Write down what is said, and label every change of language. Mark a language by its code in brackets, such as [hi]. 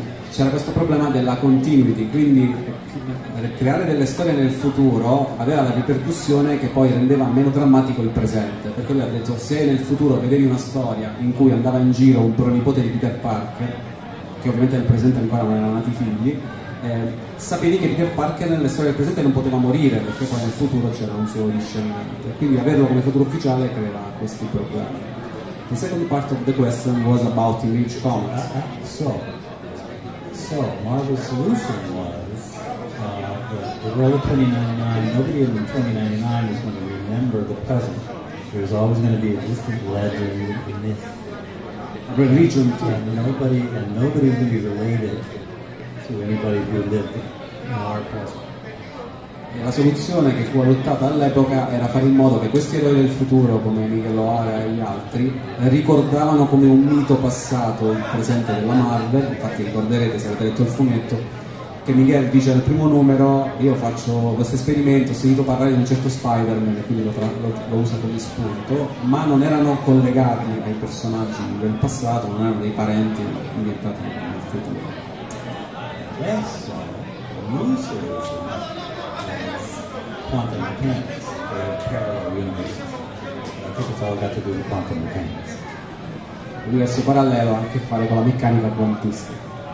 [it] C'era questo problema della continuity, quindi creare delle storie nel futuro aveva la ripercussione che poi rendeva meno drammatico il presente, perché lui ha detto: se nel futuro vedevi una storia in cui andava in giro un pronipote di Peter Parker, che ovviamente nel presente ancora non erano nati figli, sapevi che Peter Parker nelle storie del presente non poteva morire, perché poi nel futuro c'era un suo discendente, quindi averlo come futuro ufficiale creava questi problemi. [en] The second part of the question was about image comics. So Marvel's solution was the role of 2099. Nobody in 2099 is going to remember the present. There's always going to be a distant legend, a myth, a religion, and nobody is going to be related to anybody who lived in our present. [it] La soluzione che fu adottata all'epoca era fare in modo che questi eroi del futuro, come Miguel O'Hara e gli altri, ricordavano come un mito passato il presente della Marvel. Infatti ricorderete, se avete letto il fumetto, che Miguel dice al primo numero: io faccio questo esperimento, ho sentito parlare di un certo Spider-Man, e quindi lo usa come spunto, ma non erano collegati ai personaggi del passato, non erano dei parenti iniettati nel futuro. Adesso non si dice [en] quantum mechanics, or parallel universes. I think it's all got to do with quantum mechanics. [it] L'universo parallelo ha a che fare con la meccanica quantistica.